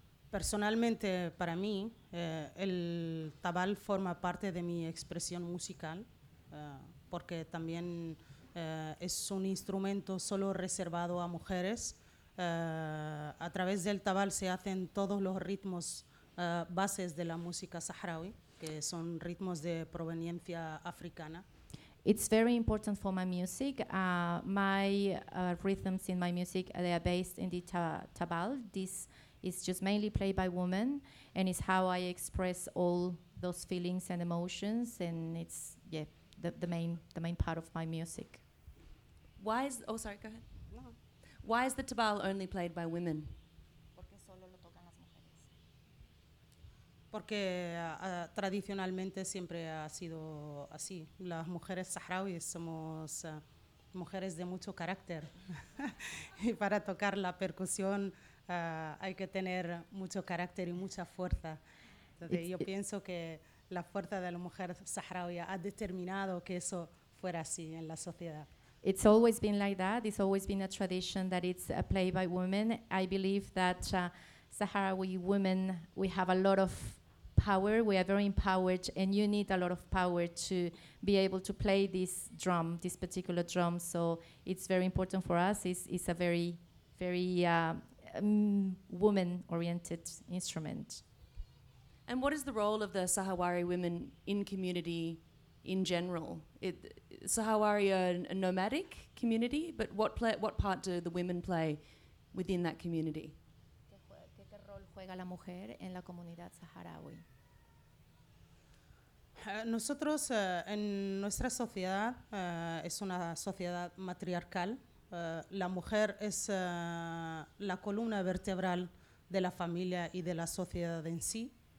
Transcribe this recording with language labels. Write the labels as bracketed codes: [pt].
[es] Personalmente, para mí, el tabal forma parte de mi expresión musical, porque también es un instrumento solo reservado a mujeres. A través del tabal se hacen todos los ritmos bases de la música saharaui, que son ritmos de proveniencia africana. [en] It's very important for my music. My rhythms in my music, they are based in the tabal. This is just mainly played by women, and it's how I express all those feelings and emotions, and it's, yeah, the main part of my music. Why is the tabal only played by women? [es] Porque tradicionalmente siempre ha sido así. Las mujeres saharauis somos mujeres de mucho carácter. Y para tocar la percusión hay que tener mucho carácter y mucha fuerza. Entonces, yo pienso que la fuerza de la mujer saharaui ha determinado que eso fuera así en la sociedad. [en] It's always been like that. It's always been a tradition that it's a play by women. I believe that Sahrawi women, we have a lot of power. We are very empowered, and you need a lot of power to be able to play this drum, this particular drum. So it's very important for us. It's a very, very woman-oriented instrument. And what is the role of the Sahrawi women in community in general? Sahrawi are a nomadic community, but what part do the women play within that community? [es] ¿Qué rol juega la mujer en la comunidad saharaui? Nosotros en nuestra sociedad es una sociedad matriarcal. La mujer es la columna vertebral de la familia y de la sociedad en sí.